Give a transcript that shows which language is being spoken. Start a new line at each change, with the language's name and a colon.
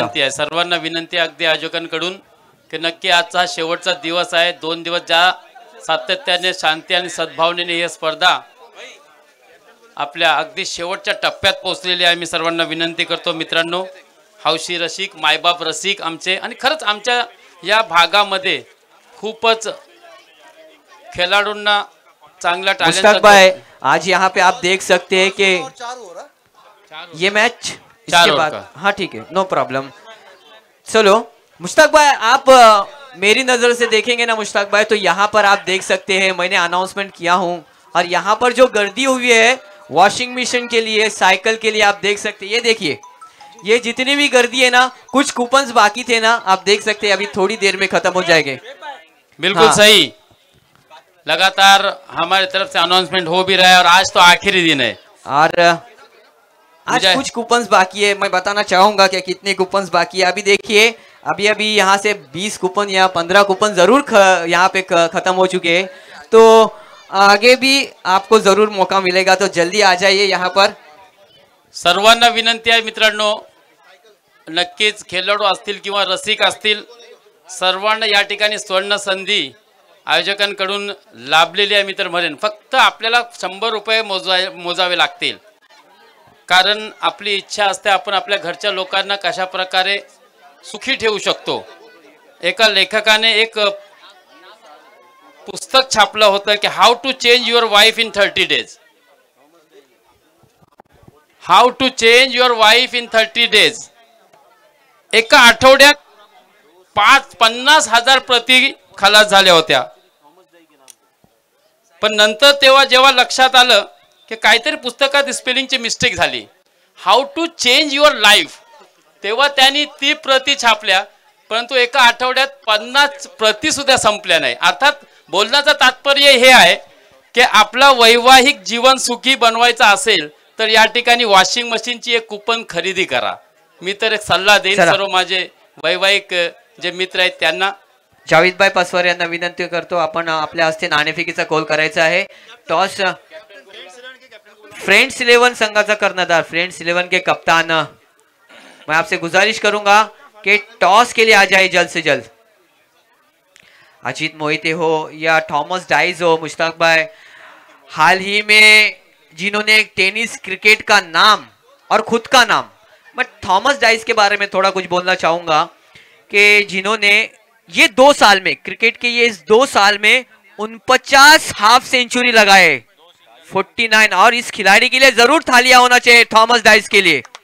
Marathi: सर्वांना विनंती आहे अगदी आयोजकांकडून की नक्की आजचा शेवटचा दिवस आहे, 2 दिवस ज्या सातत्याने शांती आणि सद्भावनेने ही स्पर्धा आपल्या अगदी शेवटच्या टप्प्यात पोहोचलेली आहे, मी सर्वांना विनंती करतो मित्रांनो, हौशी रसिक, मायबाप रसिक आमचे, आणि खरंच आमच्या या भागामध्ये खूपच खेळाडूंना चांगला टॅलेंट आहे।
Hindi: आज यहाँ पे आप देख सकते हैं कि ये मैच इसके बाद, हाँ ठीक है, नो प्रॉब्लम। चलो मुश्ताक भाई, आप मेरी नजर से देखेंगे ना मुश्ताक भाई, तो यहाँ पर आप देख सकते हैं मैंने अनाउंसमेंट किया हूँ, और यहाँ पर जो गर्दी हुई है वॉशिंग मशीन के लिए, साइकिल के लिए, आप देख सकते हैं, ये देखिए ये जितनी भी गर्दी है ना, कुछ कूपन्स बाकी थे ना, आप देख सकते हैं अभी थोड़ी देर में खत्म हो जाएंगे। बिल्कुल सही, लगातार हमारे तरफ से अनाउंसमेंट हो भी रहा है और आज तो आखिरी दिन है, और आज कुछ कूपन्स बाकी है, मैं बताना चाहूंगा कि कितने कूपन्स बाकी है। अभी देखिए अभी यहाँ से 20 कूपन या 15 कूपन जरूर यहाँ पे खत्म हो चुके हैं, तो आगे भी आपको जरूर मौका मिलेगा, तो जल्दी आ जाइए यहाँ पर।
Marathi: सर्वांना विनंती है मित्रांनो, नक्कीच खेळाडू असतील किंवा रसिक असतील, सर्वांना या ठिकाणी स्वर्ण संधी आयोजकांकडून लाभलेली आहे मित्र म्हणेन, फक्त आपल्याला 100 रुपये मोजावे लागतील, कारण आपली इच्छा असते आपण आपल्या घरच्या लोकांना कशा प्रकारे सुखी ठेवू शकतो। एका लेखकाने एक पुस्तक छापला होता कि
English: How to change your wife in 30 days, how to change your wife in 30 days.
Marathi: एका आठवड्यात 50,000 प्रति खलास झाल्या होत्या। पण नंतर तेव्हा जेव्हा लक्षात आलं की काहीतरी पुस्तकात स्पेलिंगची मिस्टेक झाली,
English: how to change your life,
Marathi: तेव्हा त्यांनी ती प्रती छापल्या। परंतु एका आठवड्यात 50 प्रती सुद्धा संपल्या नाही। अर्थात बोलण्याचं तात्पर्य हे आहे की आपला वैवाहिक जीवन सुखी बनवायचं असेल तर या ठिकाणी वॉशिंग मशीनची एक कूपन खरेदी करा। मी तर एक सल्ला देईन सर्व माझे वैवाहिक जे मित्र आहेत त्यांना। जावेद भाई पासवार यांना विनंती करतो, आपण आपल्या हस्ते नाणेफेकीचा कॉल करायचा आहे। टॉस फ्रेंड्स इलेवन संघाचा कर्णधार,
Hindi: फ्रेंड्स इलेवन के कप्तान, मैं आपसे गुजारिश करूंगा कि टॉस के लिए आ जाए जल्द से जल्द। अजीत मोहिते हो या थॉमस डाइज हो, मुश्ताक भाई, हाल ही में जिन्होंने टेनिस क्रिकेट का नाम और खुद का नाम, मैं थॉमस डाइज के बारे में थोड़ा कुछ बोलना चाहूंगा कि जिन्होंने ये 2 साल में क्रिकेट के ये इस 2 साल में 49 हाफ सेंचुरी लगाए, 49, और इस खिलाड़ी के लिए जरूर थालियां होना चाहिए थॉमस डाइज के लिए।